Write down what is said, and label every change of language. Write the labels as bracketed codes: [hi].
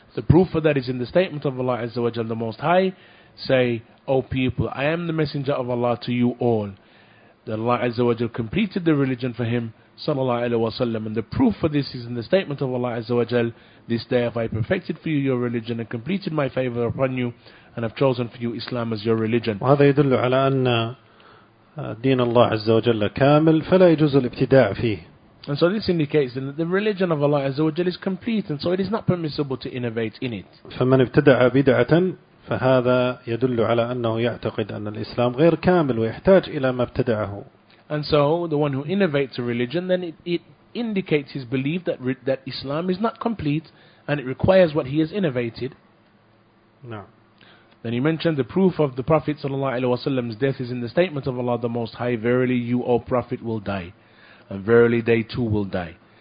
[en] The proof for that is in the statement of Allah Azza wa Jal the Most High, say, O people, I am the messenger of Allah to you all. That Allah Azza wa Jal completed the religion for him, sallallahu alaihi wasallam. And the proof for this is in the statement of Allah Azza wa Jal, this day have I perfected for you your religion and completed my favor upon you, and have chosen for you Islam as your religion. [ar] وهذا يدل على أن دين الله عز وجل كامل فلا يجوز الابتداع فيه. [en] And so this indicates that the religion of Allah [ar] عز وجل [en] is complete, and so it is not permissible to innovate in it. [ar] فمن ابتدع بدعة فهذا يدل على أنه يعتقد أن الإسلام غير كامل ويحتاج إلى ما ابتدعه. [en] And so the one who innovates a religion, then it indicates his belief that Islam is not complete and it requires what he has innovated. No. Then he mentioned the proof of the Prophet ﷺ's death is in the statement of Allah the Most High, verily you, O Prophet, will die, and verily they too will die.